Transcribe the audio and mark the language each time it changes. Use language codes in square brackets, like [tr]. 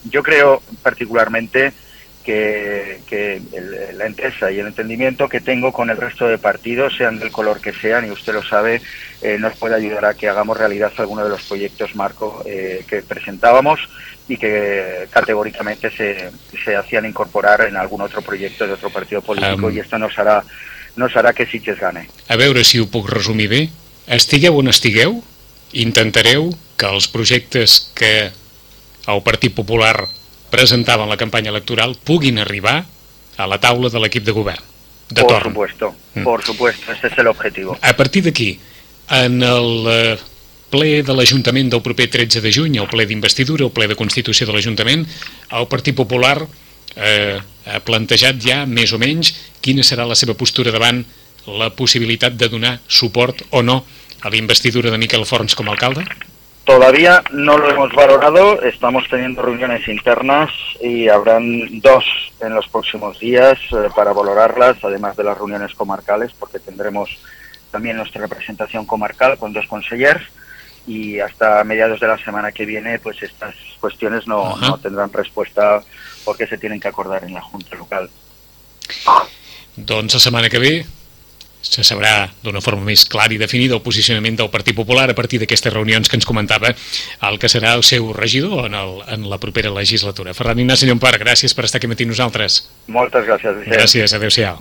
[es] Yo creo particularmente que la entesa y el entendimiento que tengo con el resto de partidos, sean del color que sean, y usted lo sabe, nos puede ayudar a que hagamos realidad alguno de los proyectos marco que presentábamos y que categóricamente se hacían incorporar en algún otro proyecto de otro partido político, y esto nos hará que Sitges gane. [ca] A veure si ho puc resumir bé. Estigueu on estigueu, intentareu que els projectes que el Partit Popular presentava en la campanya electoral puguin arribar a la taula de l'equip de govern. De por torn. [es] Supuesto, por supuesto, este es el objetivo. [ca] A partir d'aquí, en el ple de l'Ajuntament del proper 13 de juny, el ple d'investidura, el ple de Constitució de l'Ajuntament, el Partit Popular ha plantejat ja, més o menys, quina serà la seva postura davant la possibilitat de donar suport o no a la investidura de Miquel Forns com a alcalde? [es] Todavía no lo hemos valorado, estamos teniendo reuniones internas y habrán dos en los próximos días para valorarlas, además de las reuniones comarcales, porque tendremos también nuestra representación comarcal con dos consellers, y hasta mediados de la semana que viene pues estas cuestiones no tendrán respuesta porque se tienen que acordar en la Junta Local. [ca] Doncs la setmana que ve se sabrà d'una forma més clara i definida el posicionament del Partit Popular a partir d'aquestes reunions que ens comentava el que serà el seu regidor en la propera legislatura. Ferran Ignasi Llompart, gràcies per estar aquí amb nosaltres. Moltes gràcies, Vicent. Gràcies, adeu-siau.